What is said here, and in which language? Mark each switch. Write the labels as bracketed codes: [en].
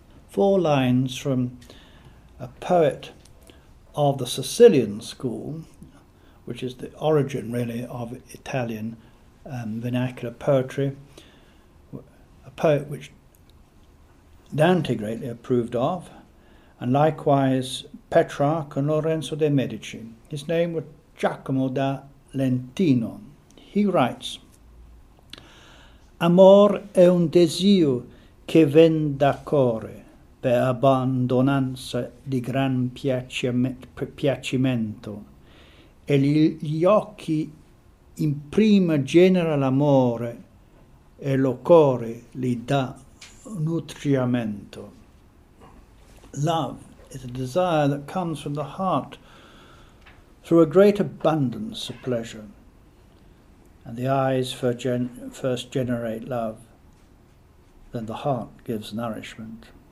[en] Four lines from a poet of the Sicilian school, which is the origin really of Italian vernacular poetry, a poet which Dante greatly approved of, and likewise Petrarch and Lorenzo de' Medici. His name was Giacomo da Lentino. He writes, [it] "Amor è un desio che ven da core per abbandonanza di gran piacimento, e gli occhi in prima genera l'amore e lo core li dà nutriamento." [en] Love is a desire that comes from the heart through a great abundance of pleasure. And the eyes first generate love, then the heart gives nourishment.